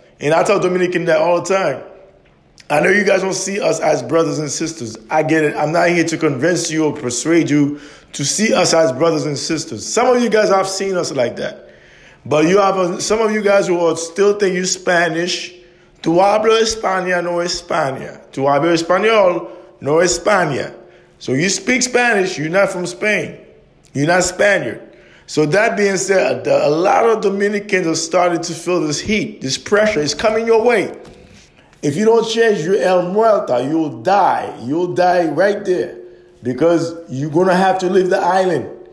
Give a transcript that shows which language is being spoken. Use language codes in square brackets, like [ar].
[en] And I tell Dominican that all the time. I know you guys don't see us as brothers and sisters. I get it. I'm not here to convince you or persuade you to see us as brothers and sisters. Some of you guys have seen us like that. But you have some of you guys who are still think you Spanish. [es] Tu hablo España, no España. Tu hablo español, no España. [en] So you speak Spanish, you're not from Spain. You're not Spaniard. So that being said, a lot of Dominicans have started to feel this heat, this pressure. It's coming your way. If you don't change your El Muerta, you'll die. You'll die right there because you're going to have to leave the island.